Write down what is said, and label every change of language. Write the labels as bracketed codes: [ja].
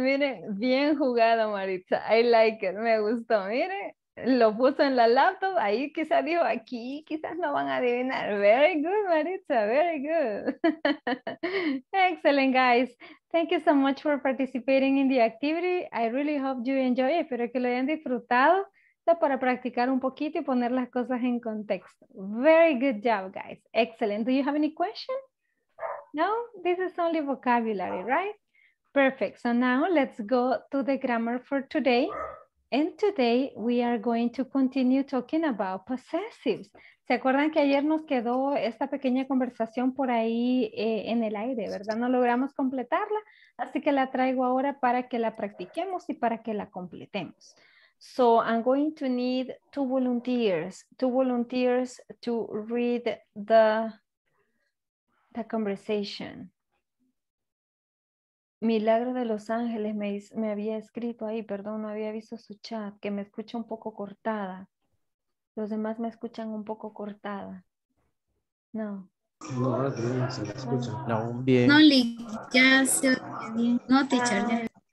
[es] Mire, bien jugado, Maritza. [en] I like it. [es] Me gustó. Mire, lo puso en la laptop. Ahí quizás dijo aquí. Quizás no van a adivinar. [en] Very good, Maritza. Very good. Excellent, guys. Thank you so much for participating in the activity. I really hope you enjoy it. [es] Espero que lo hayan disfrutado. Para practicar un poquito y poner las cosas en contexto. [en] Very good job, guys. Excellent. Do you have any question? No? This is only vocabulary, right? Perfect. So now let's go to the grammar for today. And today we are going to continue talking about possessives. [es] ¿Se acuerdan que ayer nos quedó esta pequeña conversación por ahí en el aire, verdad? No logramos completarla, así que la traigo ahora para que la practiquemos y para que la completemos. So I'm going to need two volunteers to read the conversation. Milagro de Los Ángeles me había escrito ahí, perdón, no había visto su chat, que me escucha un poco cortada. Los demás me escuchan un poco cortada. No. No, no se escucha. No, bien. No, Lee, ya se oye. No, teacher, ya.